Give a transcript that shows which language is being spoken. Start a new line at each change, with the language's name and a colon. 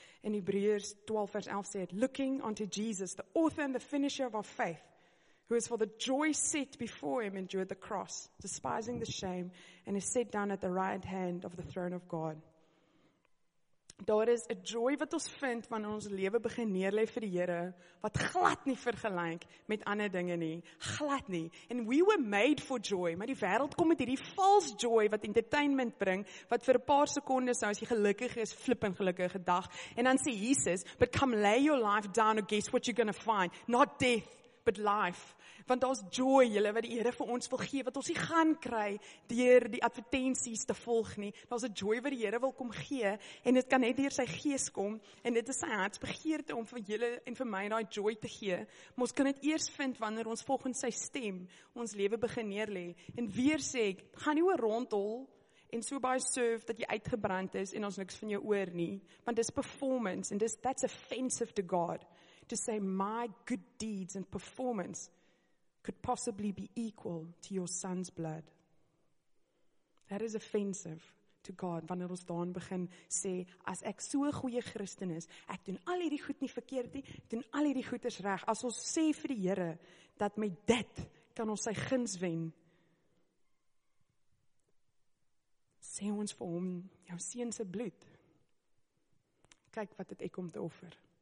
Afrikaans: In Hebreërs 12 vers 11 sê het,
English: looking unto Jesus, the author and the finisher of our faith, who is for the joy set before him endured the cross, despising the shame, and is set down at the right hand of the throne of God.
Afrikaans: Daar is 'n joy wat ons vind wanneer ons lewe begin neerlê vir die Here, wat glad nie vergelyk met ander dinge nie, glad nie.
English: And we were made for joy,
Afrikaans: maar die wêreld kom met hierdie false joy wat entertainment bring, wat vir 'n paar sekondes nou as jy gelukkig is, flip en gelukkige dag. En dan sê Jesus,
English: but come lay your life down and guess what you're going to find? Not death, but life.
Afrikaans: Want daar is joy, julle, wat die Here vir ons wil gee, wat ons nie gaan kry, deur die advertensies te volg nie. Daar is 'n joy wat die Here wil kom gee, en dit kan net deur sy gees kom, en dit is sy hartsbegeerte om vir julle en vir my daai joy te gee. Maar ons kan dit eers vind, wanneer ons volgens sy stem ons lewe begin neerlê. En weer sê ek, gaan nie oor rondhol, en so baie surf, dat jy uitgebrand is, en ons niks van jou oor nie. Want dis performance, en dis,
English: that's offensive to God, to say my good deeds and performance could possibly be equal to your son's blood. That is offensive to God,
Afrikaans: wanneer ons daan begin sê, as ek so 'n goeie Christen is, ek doen al hierdie goed nie verkeerd nie, doen al hierdie goeders reg, as ons sê vir die Here, dat met dit kan ons sy guns wen, sê ons vir hom, jou seun se bloed, kyk wat het ek om te offer.